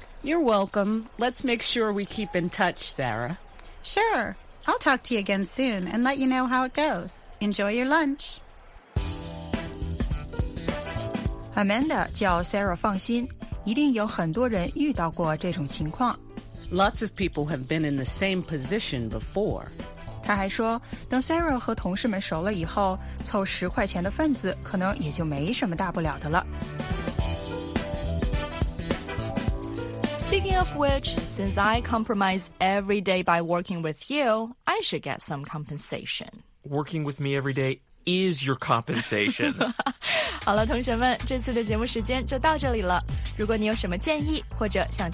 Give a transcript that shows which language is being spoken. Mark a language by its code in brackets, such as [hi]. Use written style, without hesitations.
[en] You're welcome. Let's make sure we keep in touch, Sarah. Sure. I'll talk to you again soon and let you know how it goes. Enjoy your lunch. [zh] Amanda 叫 Sarah 放心。一定有很多人遇到过这种情况。 [en] Lots of people have been in the same position before. [zh] 他还说，等 Sarah 和同事们熟了以后，凑10块钱的份子可能也就没什么大不了的了。 [en] Speaking of which, since I compromise every day by working with you, I should get some compensation. Working with me every day is your compensation. [zh] 好了，同学们，这次的节目时间就到这里了。如果你有什么建议或者想提